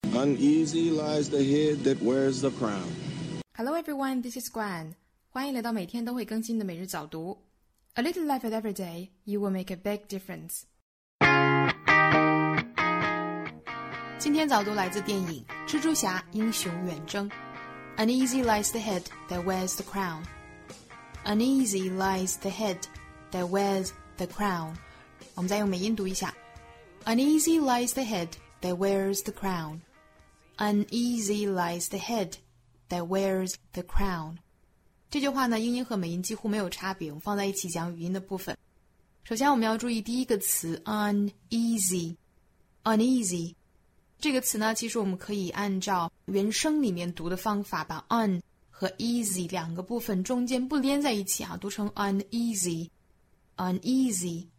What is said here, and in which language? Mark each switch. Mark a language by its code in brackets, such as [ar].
[en] Uneasy lies the head that wears the crown. Hello everyone, this is Gwen. [zh] 欢迎来到每天都会更新的每日早读。 [en] A little life at every day, you will make a big difference. [zh] 今天早读来自电影《蜘蛛侠：英雄远征》。 [en] Uneasy lies the head that wears the crown. Uneasy lies the head that wears the crown. [zh] 我们再用美音读一下。 [en] Uneasy lies the head that wears the crown. Uneasy lies the head that wears the crown. [zh] 这句话呢，英音和美音几乎没有差别，我们放在一起讲语音的部分。首先我们要注意第一个词 uneasy. Uneasy. 这个词呢，其实我们可以按照原声里面读的方法，把 un 和 easy 两个部分中间不连在一起啊，读成 uneasy. Uneasy.